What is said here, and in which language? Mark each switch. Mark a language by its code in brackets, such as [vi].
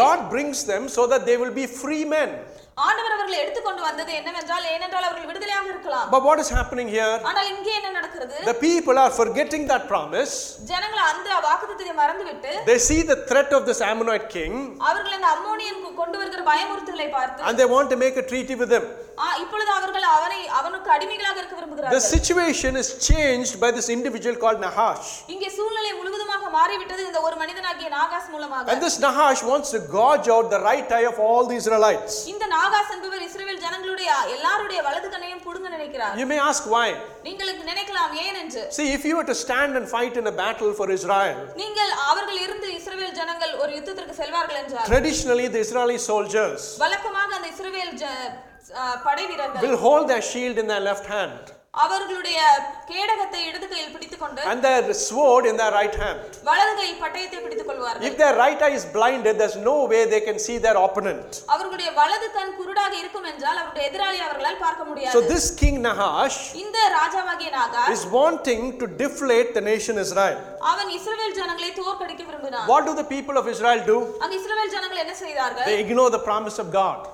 [en] God brings them so that they will be free men. [ta] ஆண்டவர் அவர்களை எடுத்து கொண்டு வந்தது என்னவென்றால் ஏனென்றால் அவர்கள் விடுதலையாக இருக்கலாம். [en] But what is happening here? [ta] ஆனால் இங்கே என்ன நடக்கிறது? [en] The people are forgetting that promise. [ta] ஜனங்கள் அந்த வாக்குத்தத்தை மறந்துவிட்டு [en] They see the threat of this Ammonite king. [ta] அவர்கள் அந்த அம்மோனியன் கொண்டு வருகிற பயமுறுத்தலை பார்த்து [en] And they want to make a treaty with him. [ta] இப்பொழுது அவர்கள் அவனுக்கு அடிமைகளாக இருக்க விரும்புகிறார்கள். [en] The situation is changed by this individual called Nahash. [ta] இங்கே சூழ்நிலை முழுவதுமாக மாறிவிட்டது இந்த ஒரு மனிதனாகிய நாகாஸ் மூலமாக. [en] And this Nahash wants to gouge out the right eye of all the Israelites. [ta] இந்த நாகாஸ் என்பவர் இஸ்ரவேல் ஜனங்களுடைய எல்லாருடைய வலது கண்ணையும் புடுங்க நினைக்கிறார். [en] You may ask why. [ta] நீங்கள் நினைக்கலாம் ஏன் என்று. [en] See if you were to stand and fight in a battle for Israel. [ta] நீங்கள் அவர்கள் இருந்து இஸ்ரவேல் ஜனங்கள் ஒரு யுத்தத்திற்கு செல்வார்கள் என்றால். [en] Traditionally the Israeli soldiers [ta] வழக்கமாக அந்த இஸ்ரவேல் படைவீரர்கள் [en] will hold their shield in their left hand. [ta] அவர்களுடைய கேடகத்தை இடது கையில் பிடித்துக் கொண்டு [en] and their sword in their right hand [ta] வலது கை பட்டயத்தை பிடித்துக் கொள்வார்கள் [en] if their right eye is blinded there's no way they can see their opponent [ta] அவர்களுடைய வலது கண் குருடாக இருக்கும் என்றால் அவருடைய எதிராளி அவர்களால் பார்க்க முடியாது [en] so this king Nahash [ta] இந்த ராஜாவாகிய நாகாஸ் [en] is wanting to deflate the nation Israel [ta] அவன் இஸ்ரவேல் ஜனங்களை தோற்கடிக்க விரும்பினான் [en] what do the people of Israel do [ta] அங்க இஸ்ரவேல் ஜனங்கள் என்ன செய்தார்கள் [en] they ignore the promise of God